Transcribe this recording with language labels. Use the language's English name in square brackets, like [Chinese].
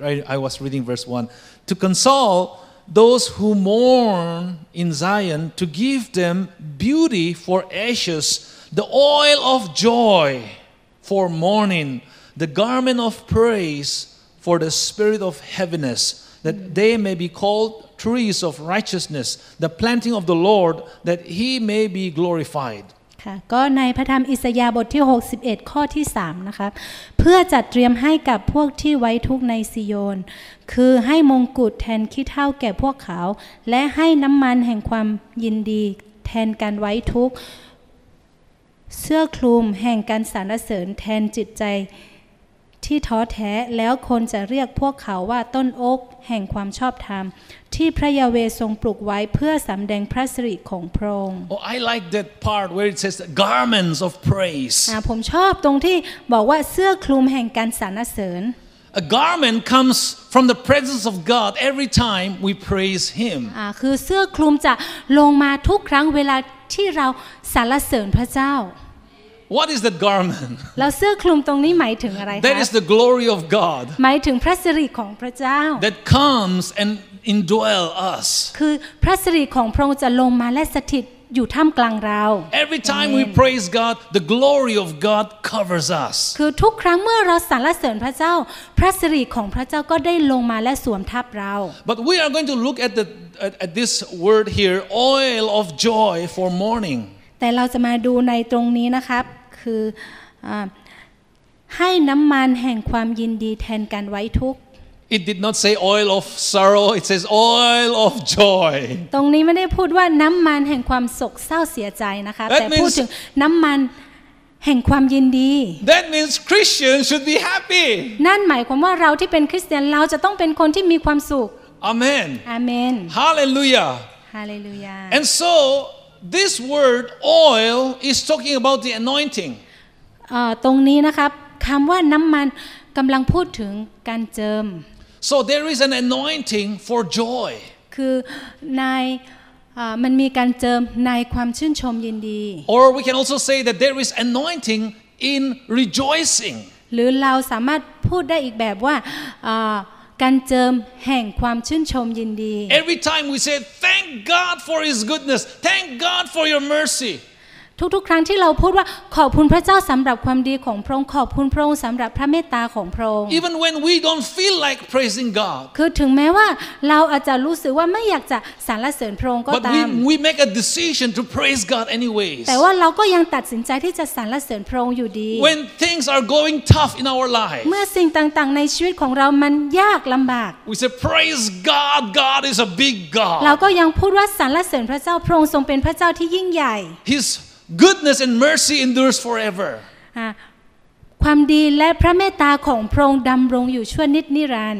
[English] verse 1 to console those who mourn in Zion to give them beauty for ashes the oil of joy for mourning the garment of praise for the spirit of heaviness that they may be called trees of righteousness the planting of the Lord that he may be glorified [Thai] ก็ในพระธรรมอิสยาห์บทที่61ข้อที่3นะครับเพื่อจัดเตรียมให้กับพวกที่ไว้ทุกข์ในซิโยนคือให้มงกุฎแทนขี้เถ้าแก่พวกเขาและให้น้ำมันแห่งความยินดีแทนการไว้ทุกข์เสื้อคลุมแห่งการสรรเสริญแทนจิตใจที่ท้อแท้แล้วคนจะเรียกพวกเขาว่าต้นโอ๊กแห่งความชอบธรรมที่พระยาเวทรงปลูกไว้เพื่อสำแดงพระสิริของพระองค์ [English] Oh I like that part where it says garments of praise [Thai] ผมชอบตรงที่บอกว่าเสื้อคลุมแห่งการสรรเสริญ [English] A garment comes from the presence of God every time we praise him [Thai] คือเสื้อคลุมจะลงมาทุกครั้งเวลาที่เราสรรเสริญพระเจ้า [English] What is that garment? [Thai] แล้วเสื้อคลุมตรงนี้หมายถึงอะไรคะ [English] That is the glory of God. [Thai] หมายถึงพระสิริของพระเจ้า [English] That comes and indwell us. [Thai] คือพระสิริของพระองค์จะลงมาและสถิตอยู่ท่ามกลางเรา [English] Every time we praise God, the glory of God covers us. [Thai] คือทุกครั้งเมื่อเราสรรเสริญพระเจ้าพระสิริของพระเจ้าก็ได้ลงมาและสวมทับเรา [English] But we are going to look at at this word here, oil of joy for mourning. [Thai] แต่เราจะมาดูในตรงนี้นะครับคือให้น้ำมันแห่งความยินดีแทนการไว้ทุกข์ [English] It did not say oil of sorrow. It says oil of joy. [Thai] ตรงนี้ไม่ได้พูดว่าน้ำมันแห่งความโศกเศร้าเสียใจนะคะแต่พูดถึงน้ำมันแห่งความยินดี [English] That means Christians should be happy. [Thai] นั่นหมายความว่าเราที่เป็นคริสเตียนเราจะต้องเป็นคนที่มีความสุข [English] Amen. Amen. Hallelujah. Hallelujah. And so this word oil is talking about the anointing. [Thai] ตรงนี้นะครับคำว่าน้ำมันกำลังพูดถึงการเจิม [English] So there is an anointing for joy. [Thai] คือในมันมีการเจิมในความชื่นชมยินดี [English] Or we can also say that there is anointing in rejoicing. [Thai] หรือเราสามารถพูดได้อีกแบบว่าการเจิมแห่งความชื่นชมยินดี [English] Every time we say thank God for His goodness, thank God for Your mercy. [Thai] ทุกๆครั้งที่เราพูดว่าขอบคุณพระเจ้าสำหรับความดีของพระองค์ขอบคุณพระองค์สำหรับพระเมตตาของพระองค์ [English] Even when we don't feel like praising God [Thai] คือถึงแม้ว่าเราอาจจะรู้สึกว่าไม่อยากจะสรรเสริญพระองค์ก็ตาม [English] But we make a decision to praise God anyways [Thai] แต่ว่าเราก็ยังตัดสินใจที่จะสรรเสริญพระองค์อยู่ดี [English] When things are going tough in our life [Thai] เมื่อสิ่งต่างๆในชีวิตของเรามันยากลำบาก [English] We say praise God God is a big God [Thai] เราก็ยังพูดว่าสรรเสริญพระเจ้าพระองค์ทรงเป็นพระเจ้าที่ยิ่งใหญ่ [English] HisGoodness and mercy endures forever. [Thai] ความดีและพระเมตตาของพระองค์ดำรงอยู่ชั่วนิจนิรันดร